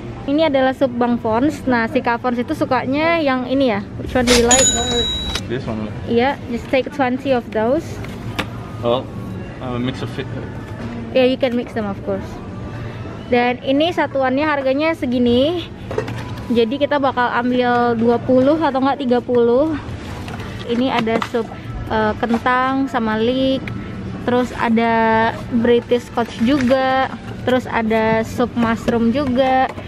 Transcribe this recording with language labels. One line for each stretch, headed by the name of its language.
Indonesian: Ini adalah sup Bang Fons. Nah, si Kak Fons itu sukanya yang ini ya.
English: Which one do you like? This one. Iya, yeah, just take 20 of those. Well, I'm a mix of it. Yeah, you can mix them of course.
Indonesian: Dan ini satuannya harganya segini. Jadi kita bakal ambil 20 atau enggak 30. Ini ada sup kentang sama leek. Terus ada British Scotch juga. Terus ada sup mushroom juga.